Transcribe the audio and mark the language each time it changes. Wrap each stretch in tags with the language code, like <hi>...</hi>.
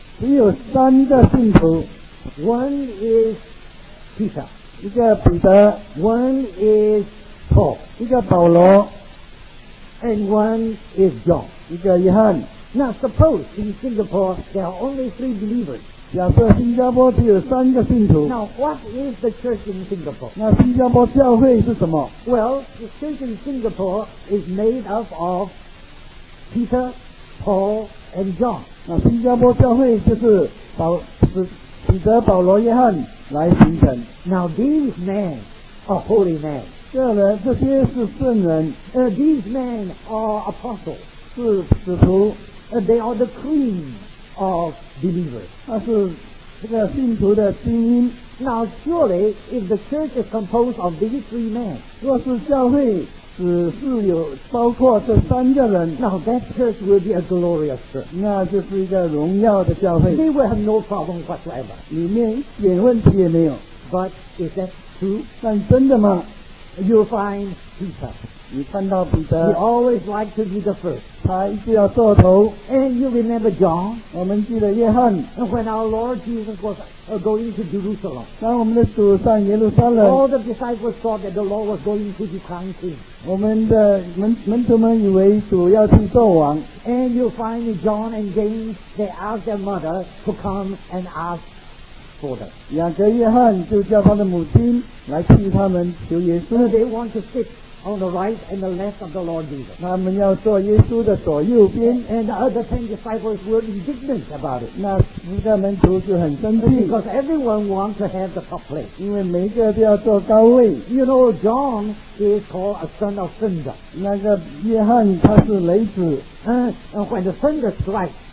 <zh>只有三个信徒</zh> <en>One is Peter,</en> <zh>一个彼得</zh> <en>One is Paul,</en> <zh>一个保罗</zh> <en>And one is John,</en> <zh>一个约翰</zh> <en>Now suppose in Singapore there are only three believers.</en> <zh>假设新加坡只有三个信徒。</zh> <en>Now what is the church in Singapore?</en> <zh>那新加坡教会是什么？</zh> <en>Well, the church in Singapore is made up of Peter, Paul, and John.</en> <zh>那新加坡教会就是彼得、保罗、约翰来形成。</zh> <en>Now these men are holy men.</en> <zh>这些是圣人。</zh> <en>These men are apostles.</en> <zh>是使徒。</zh> <en>They are the cream of believers.</en> <zh>那是这个信徒的精英。</zh> <en>Now surely, if the church is composed of these three men,</en> <zh>若是教会只是有包括这三个人，</zh> <en>Now that church will be a glorious church.</en> <zh>那就是一个荣耀的教会。</zh> <en>They will have no problem whatsoever.</en> <zh>里面一点问题也没有。</zh> <en>But is that true?</en> <zh>但真的吗？</zh> <en>You'll find Peter.</en> <zh>你看到彼得。</zh> <en>He always liked to be the first.</en> <zh>他一直要做头。</zh> <en>And you remember John?</en> <zh>我们记得约翰。</zh> <en>When our Lord Jesus was going to Jerusalem,</en> <zh>当我们的主上耶路撒冷。</zh> <en>All the disciples thought that the Lord was going to be crowned.</en> <zh>我们的门徒们以为主要去做王。</zh> <en>And you find John and James, they asked their mother to come and ask.</en> <zh>雅各、约翰就叫他的母亲来替他们求耶稣。</zh> <en>They want to sit on the right and the left of the Lord Jesus.</en> <zh>他们要坐耶稣的左右边。</zh> <en>And the other ten disciples were indignant about it.</en> <zh>那十个门徒就很生气。</zh> <en>Because everyone wants to have the top place.</en> <zh>因为每个都要坐高位。</zh> <en>You know, John is called a son of thunder.</en> <zh>那个约翰他是雷子。</zh> <en>When the thunder strikes.</en>